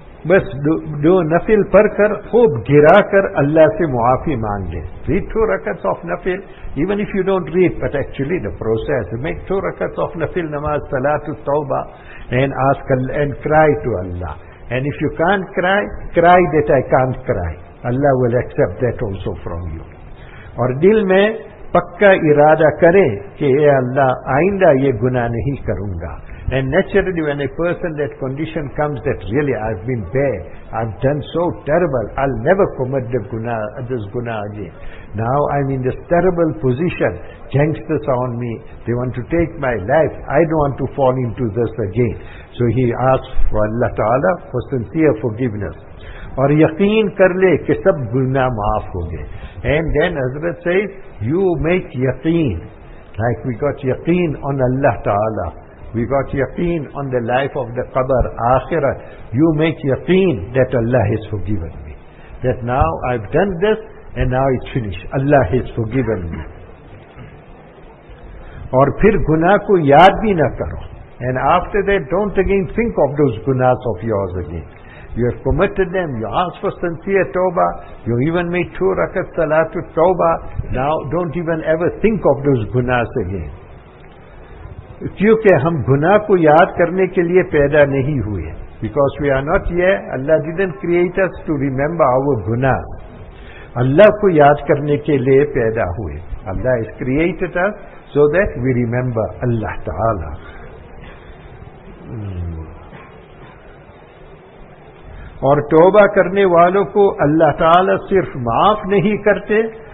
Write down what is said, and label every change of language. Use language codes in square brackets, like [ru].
[ur] بس دو نفل پڑھ کر خوب گرا کر اللہ سے معافی مانگ لیں. [en] Read two rakats of nafil, even if you don't read, but actually the process. Make two rakats of nafil namaz, salatu tawbah, and ask Allah, and cry to Allah. And if you can't cry, cry that I can't cry. Allah will accept that also from you. [ur] اور دل میں پکا ارادہ کریں کہ اے اللہ آئندہ یہ گناہ نہیں کروں گا. [en] And naturally when a person, that condition comes that really I've been bad, I've done so terrible, I'll never commit this guna again. Now I'm in this terrible position, gangsters are on me, they want to take my life, I don't want to fall into this again. So he asks for Allah Ta'ala for sincere forgiveness. [ur] اور یقین کر لے کہ سب گناہ معاف ہو گئے. [en] And then Hazrat says, you make yaqeen, like we got yaqeen on Allah Ta'ala. We got yaqeen on the life of the qabr, akhirat. You make yaqeen that Allah has forgiven me. That now I've done this and now it's finished. Allah has forgiven me. [ur] اور پھر گناہ کو یاد بھی نہ کرو. [en] And after that, don't again think of those gunas of yours again. You have committed them, you asked for sincere tawbah, you even made two rakat salatu tawbah. Now don't even ever think of those gunas again. [ur] کیونکہ ہم گناہ کو یاد کرنے کے لیے پیدا نہیں ہوئے. [en] Because we are not here, Allah didn't create us to remember our guna. [ur] Allah کو یاد کرنے کے لیے پیدا ہوئے. [en] Allah has created us so that we remember Allah Ta'ala. [ur] اور توبہ کرنے والوں کو اللہ تعالیٰ صرف معاف نہیں کرتے.